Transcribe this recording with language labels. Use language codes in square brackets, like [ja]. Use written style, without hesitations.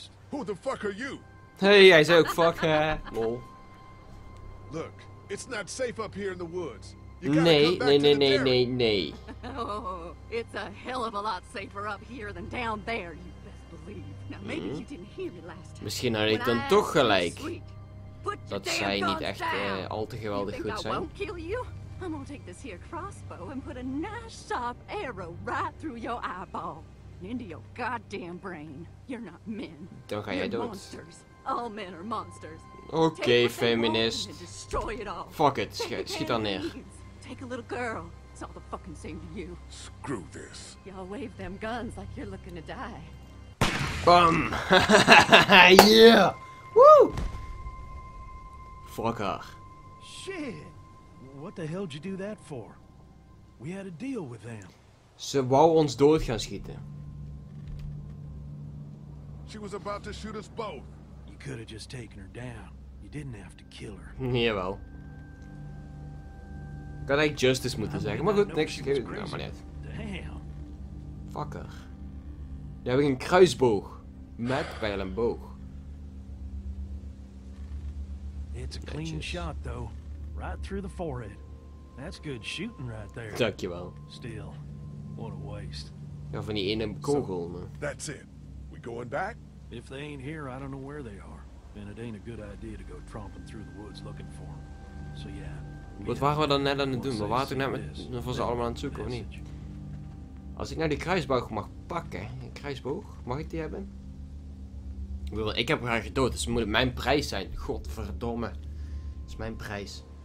[en] Who the fuck are you? [nl] Hey, jij zei ook fuck hè? Lol. [en] Look, it's not safe up here in the woods. [nl] Nee. [en] Oh, it's a hell of a lot safer up here than down there, you best believe. Now maybe you didn't hear me last time. [nl] Misschien had ik dan toch gelijk. Dat zij niet echt al te geweldig goed zijn. [en] I'm gonna take this here crossbow and put a nice sharp arrow right through your eyeball. Into your goddamn brain. You're not men. [nl] Dan ga jij dood. [en] Monsters. All men are monsters. Okay, feminist. Fuck it, [nl] schiet dan neer. [en] Take a little girl. It's all the fucking same to you. Screw this. Y'all wave them guns like you're looking to die. Bam! Yeah! Woo! Fuck her. Shit! What the hell did you do that for? We had a deal with them. [nl] Ze wou ons dood gaan schieten. [en] She was about to shoot us both. You could have just taken her down. You didn't have to kill her. [nl] Jawel. Ik had eigenlijk justice moeten zeggen, maar goed, niks gegeven. Nou, maar net. [en] Damn. [nl] Fucker. Nu heb ik een kruisboog. Met pijl en boog. [en] It's a clean shot, though. Right through the forehead. That's good shooting right there. [nl] Dankjewel. [en] Still, what a waste. [nl] Ja, van die ene kogel, man. So, [en] that's it. We going back? If they ain't here, I don't know where they are. And it ain't a good idea to go tromping through the woods looking for them. So yeah. [nl] Wat waren we dan net aan het doen? We waren toen net met ze allemaal aan het zoeken, of niet? Als ik nou die kruisboog mag pakken, een kruisboog, mag ik die hebben? Ik heb haar gedood, dus moet het mijn prijs zijn. Godverdomme. Dat is mijn prijs.